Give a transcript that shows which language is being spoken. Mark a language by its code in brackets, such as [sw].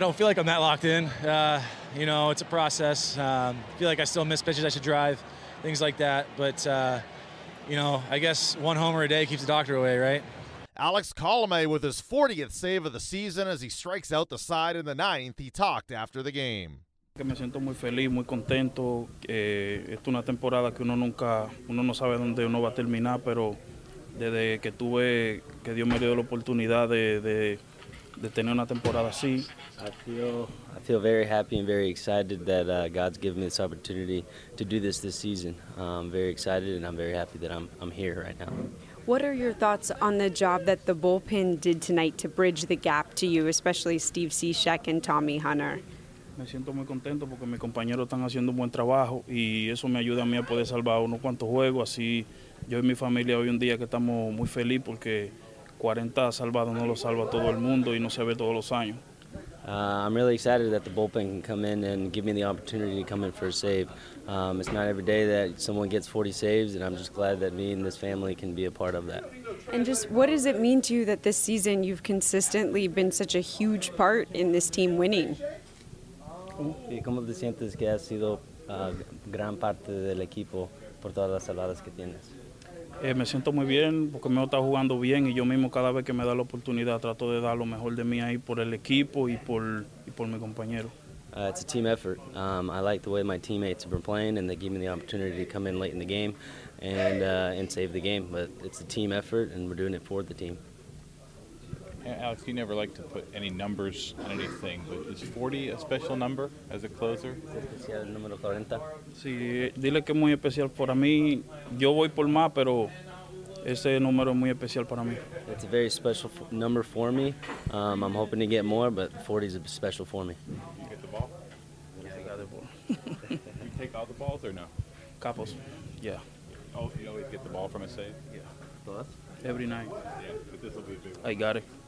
[en] I don't feel like I'm that locked in. You know, it's a process. I feel like I still miss pitches I should drive, things like that. But, you know, I guess one homer a day keeps the doctor away, right? Alex Colome with his 40th save of the season as he strikes out the side in the ninth. He talked after the game. [es] Me siento muy feliz, muy contento. Esta es una temporada que uno no sabe dónde uno va a terminar, pero desde que tuve, que Dios me dio la oportunidad de tener una temporada así. [en] I feel very happy and very excited that God's given me this opportunity to do this season. I'm very excited and I'm very happy that I'm here right now. What are your thoughts on the job that the bullpen did tonight to bridge the gap to you, especially Steve Cishek and Tommy Hunter? [es] Me siento muy contento porque mis compañeros están haciendo un buen trabajo y eso me ayuda a mí a poder salvar unos cuantos juegos. Así yo y mi familia hoy un día que estamos muy felices porque 40 salvados no lo salva todo el mundo y no se ve todos los años. [en] I'm really excited that the bullpen can come in and give me the opportunity to come in for a save. It's not every day that someone gets 40 saves, and I'm just glad that me and this family can be a part of that. And just what does it mean to you that this season you've consistently been such a huge part in this team winning? [es] ¿Cómo te sientes que has sido gran parte del equipo por todas las saladas que tienes? Me siento muy bien porque me está jugando bien y yo mismo cada vez que me da la oportunidad trato de dar lo mejor de mí ahí por el equipo y por mi compañero. [en] It's a team effort. I like the way my teammates have been playing and they give me the opportunity to come in late in the game and save the game. But it's a team effort and we're doing it for the team. Alex, you never like to put any numbers on anything, but is 40 a special number as a closer? [es] Especial número 40. Sí, dile que es muy especial para mí. Yo voy por más, pero ese número es muy especial para mí. [en] It's a very special number for me. I'm hoping to get more, but 40 is special for me. You get the ball? Yeah, I got the ball. You take all the balls or no? Couples, yeah. Oh, you always get the ball from a save? Yeah. Both? Every night. Yeah, but this will be a big one. I got it.